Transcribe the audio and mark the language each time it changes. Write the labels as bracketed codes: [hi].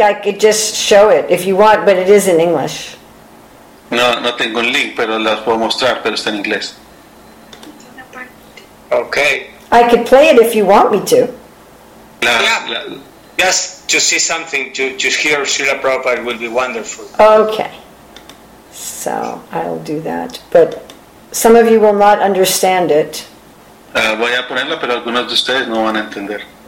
[en] I could just show it if you want, but it is in English. [es] No tengo un link, pero las puedo mostrar, pero está en inglés. [en] Okay. I could play it if you want me to. Yes, to see something, to hear Srila Prabhupada would be wonderful. Okay. So, I'll do that. But some of you will not understand it. [es] Voy a ponerlo, pero algunos de ustedes no van a entender.